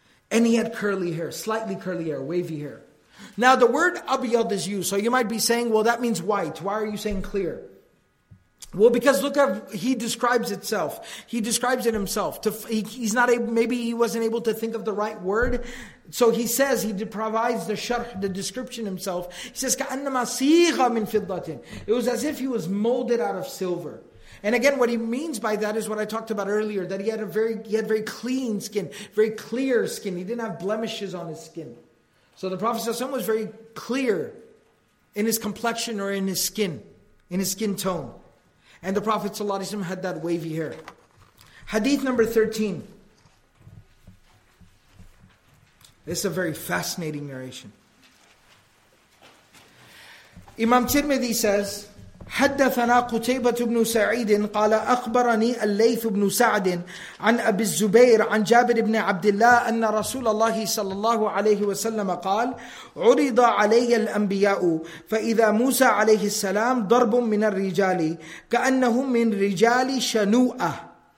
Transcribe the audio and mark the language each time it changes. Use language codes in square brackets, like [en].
[en] And he had curly hair, slightly curly hair, wavy hair. Now the word abiyad is used, so you might be saying, well, that means white. Why are you saying clear? Well, because look how he describes itself. He describes it himself. Maybe he wasn't able to think of the right word. So he says, he provides the sharh, the description himself. He says, [ar] كَأَنَّمَا سِيغَ مِنْ فِضَّةٍ. [en] It was as if he was molded out of silver. And again, what he means by that is what I talked about earlier, that he had very clean skin, very clear skin. He didn't have blemishes on his skin. So the Prophet ﷺ was very clear in his complexion or in his skin tone. And the Prophet ﷺ had that wavy hair. Hadith number 13. This is a very fascinating narration. Imam Tirmidhi says, [ar] حَدَّثَنَا قُتَيْبَةُ بْنُ سَعِيدٍ قَالَ أَخْبَرَنِي أَلَّيْثُ بْنُ سَعْدٍ عَنْ أَبِي الزُّبَيْرِ عَنْ جَابِرِ بْنِ عَبْدِ اللَّهِ أَنَّ رَسُولَ اللَّهِ صَلَّى اللَّهُ عَلَيْهِ وَسَلَّمَ قَالَ عُرِضَ عَلَيَّ الْأَنْبِيَاءُ فَإِذَا مُوسَى عَلَيْهِ السَّلَامُ ضَرْبٌ مِنَ الرِّجَالِ كَأَنَّهُمْ مِنْ رِجَالِ شَنُوءَةٍ